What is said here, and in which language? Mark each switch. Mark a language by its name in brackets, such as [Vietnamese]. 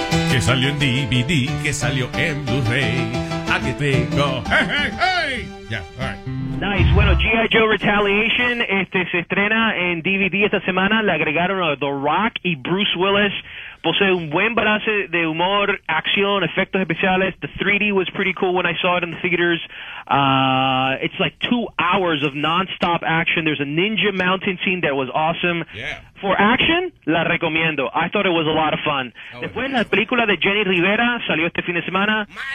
[Spanish] Que salió en DVD, que salió en Blu-ray. Aquí tengo. ¡Hey, hey, hey! Ya, [English] yeah, all right. Nice. [Spanish] Bueno, G.I. Joe Retaliation se estrena en DVD esta semana. Le agregaron a The Rock y Bruce Willis. Posee un buen balance de humor, acción, efectos especiales. [English] The 3D was pretty cool when I saw it in the theaters. It's like 2 hours of nonstop action. There's a ninja mountain scene that was awesome. Yeah. For action, [Spanish] la recomiendo. [English] I thought it was a lot of fun. [Spanish] Después, la película de Jenny Rivera salió este fin de semana.